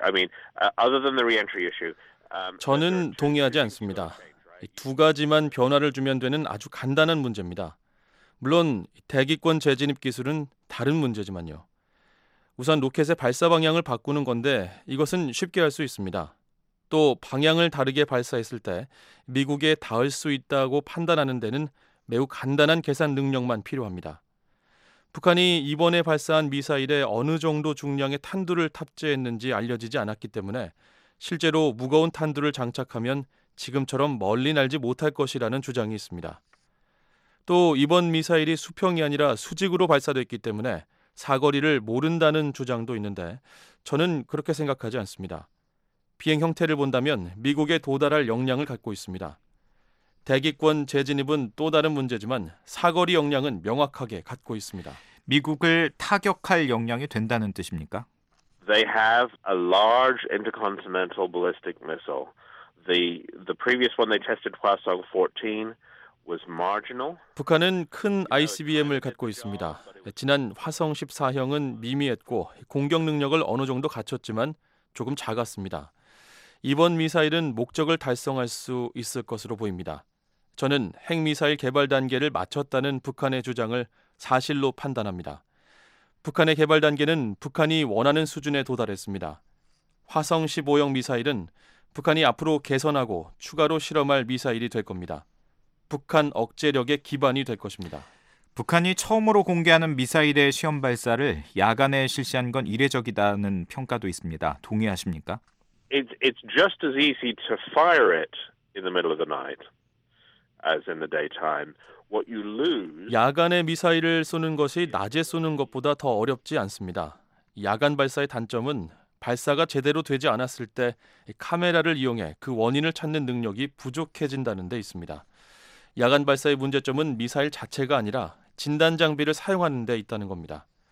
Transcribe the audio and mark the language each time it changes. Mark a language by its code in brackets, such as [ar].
[en] I mean, other than the re-entry issue. [ko] 저는 동의하지 않습니다. 두 가지만 변화를 주면 되는 아주 간단한 문제입니다. 물론 대기권 재진입 기술은 다른 문제지만요. 우선 로켓의 발사 방향을 바꾸는 건데 이것은 쉽게 할 수 있습니다. 또 방향을 다르게 발사했을 때 미국에 닿을 수 있다고 판단하는 데는 매우 간단한 계산 능력만 필요합니다. 북한이 이번에 발사한 미사일에 어느 정도 중량의 탄두를 탑재했는지 알려지지 않았기 때문에 실제로 무거운 탄두를 장착하면 지금처럼 멀리 날지 못할 것이라는 주장이 있습니다. 또 이번 미사일이 수평이 아니라 수직으로 발사됐기 때문에 사거리를 모른다는 주장도 있는데 저는 그렇게 생각하지 않습니다. 비행 형태를 본다면 미국에 도달할 역량을 갖고 있습니다. 대기권 재진입은 또 다른 문제지만 사거리 역량은 명확하게 갖고 있습니다. 미국을 타격할 역량이 된다는 뜻입니까? [en] They have a large intercontinental ballistic missile. The previous one they tested, Hwasong-14, was marginal. [ko] 북한은 큰 ICBM을 갖고 있습니다. 지난 화성-14형은 미미했고 공격 능력을 어느 정도 갖췄지만 조금 작았습니다. 이번 미사일은 목적을 달성할 수 있을 것으로 보입니다. 저는 핵미사일 개발 단계를 마쳤다는 북한의 주장을 사실로 판단합니다. 북한의 개발 단계는 북한이 원하는 수준에 도달했습니다. 화성-15형 미사일은 북한이 앞으로 개선하고 추가로 실험할 미사일이 될 겁니다. 북한 억제력의 기반이 될 것입니다. 북한이 처음으로 공개하는 미사일의 시험 발사를 야간에 실시한 건 이례적이다는 평가도 있습니다. 동의하십니까? [en] It's just as easy to fire it in the middle of the night as in the daytime. What you lose. [ko] 야간에 미사일을 쏘는 것이 낮에 쏘는 것보다 더 어렵지 않습니다. 야간 발사의 단점은 발사가 제대로 되지 않았을 때 카메라를 이용해 그 원인을 찾는 능력이 부족해진다는 데 있습니다. 야간 발사의 문제점은 미사일 자체가 아니라 진단 장비를 사용하는 데 있다는 겁니다.